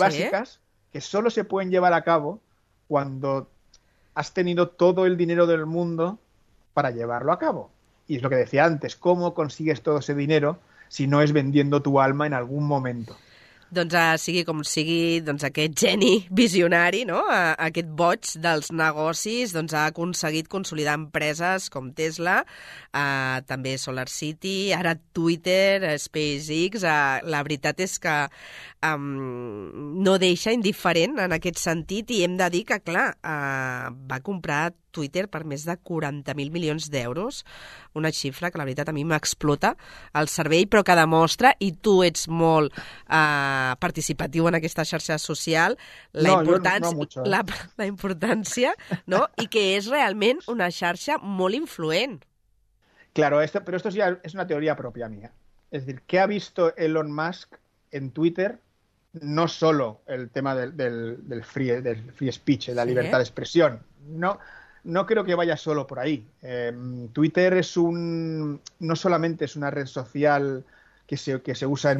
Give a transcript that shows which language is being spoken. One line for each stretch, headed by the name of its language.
Spanish: básicas que solo se pueden llevar a cabo cuando has tenido todo el dinero del mundo para llevarlo a cabo. Y es lo que decía antes, ¿cómo consigues todo ese dinero si no es vendiendo tu alma en algún momento?
Catalan: Doncs sigui com sigui, doncs aquest geni visionari, no? Aquest boig dels negocis, doncs ha aconseguit consolidar empreses com Tesla, també Solar City, ara Twitter, SpaceX, la veritat és que no deixa indiferent en aquest sentit i hem de dir que, clar, va comprar Twitter per més de 40.000 milions d'euros, una xifra que la veritat a mi m'explota el cervell, però que demostra, i tu ets molt participatiu en aquesta xarxa social,
Spanish: No, jo no mucho, ¿eh?
Catalan: la importància, no? I que és realment una xarxa molt influent.
Spanish: Claro, pero esto ya es una teoría propia mía. Es decir, ¿qué ha visto Elon Musk en Twitter? No solo el tema del
English: free speech,
Spanish: de la libertad de expresión. No, no creo que vaya solo por ahí. Twitter es no solamente es una red social que se usa en